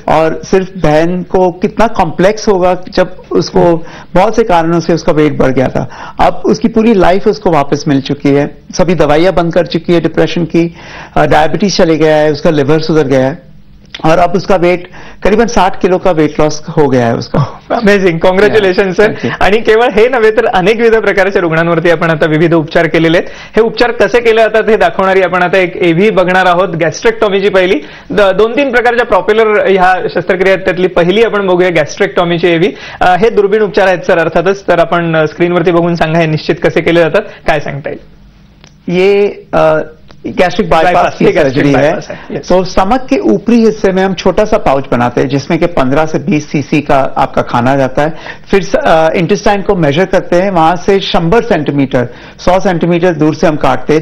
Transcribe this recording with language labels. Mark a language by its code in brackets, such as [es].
[hi] और सिर्फ बहन को कितना कॉम्प्लेक्स होगा जब उसको बहुत से कारणों से उसका वेट बढ़ गया था. अब उसकी पूरी लाइफ उसको वापस मिल चुकी है, सभी दवाइयां बंद कर चुकी है डिप्रेशन की, डायबिटीज चले गया है, उसका लिवर सुधर गया है और अब उसका वेट करीबन 60 किलो का वेट लॉस हो गया है उसका. [mr] Amazing, congratulation sir. आणि केवळ हे नव्हे तर अनेक विविध प्रकारच्या रुग्णांवरती आपण आता विविध उपचार केलेले आहेत. हे उपचार कसे केले जातात हे दाखवणारी आपण आता एक एव्ही बघणार आहोत. गॅस्ट्रेक्टॉमीची पहिली, 2-3 प्रकारच्या प्रॉप्युलर ह्या शस्त्रक्रिया आहेत, त्यातली पहिली आपण बघूया गॅस्ट्रेक्टॉमीची एव्ही. हे दुर्बीण उपचार आहेत सर अर्थातच. तर आपण स्क्रीनवरती बघून सांगा हे निश्चित कसे केले जातात, काय सांगता येईल? [hi] ये गैस्ट्रिक बायपास की सर्जरी है. तो स्टमक के ऊपरी हिस्से में हम छोटा सा पाउच बनाते हैं जिसमें कि 15-20 सीसी का आपका खाना जाता है. फिर इंटेस्टाइन को मेजर करते हैं, वहां से 100 सेंटीमीटर दूर से हम काटते हैं.